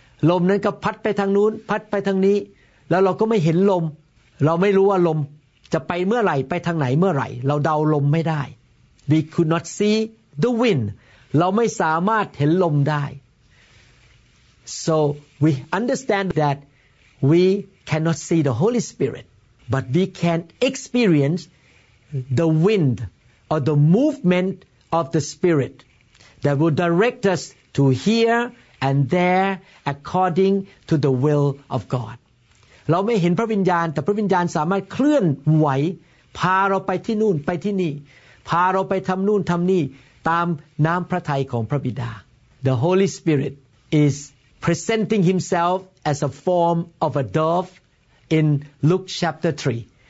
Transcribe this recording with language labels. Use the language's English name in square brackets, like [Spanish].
[Thai] ลมนั้นก็พัดไปทางนู้นพัดไปทางนี้แล้วเราก็ไม่เห็นลมเราไม่รู้ว่าลมจะไปเมื่อไหร่ไปทางไหนเมื่อไหร่เราเดาลมไม่ได้ [English] We could not see the wind [Thai] เราไม่สามารถเห็นลมได้ [English] So we understand that we cannot see the Holy Spirit but we can experience the wind or the movement of the Spirit that will direct us to here and there according to the will of God. [Thai] เราไม่เห็นพระวิญญาณแต่พระวิญญาณสามารถเคลื่อนไหวพาเราไปที่นู่นไปที่นี่พาเราไปทำนู่นทำนี่ตามน้ำพระทัยของพระบิดา [English] The Holy Spirit is presenting Himself as a form of a dove in Luke chapter 3.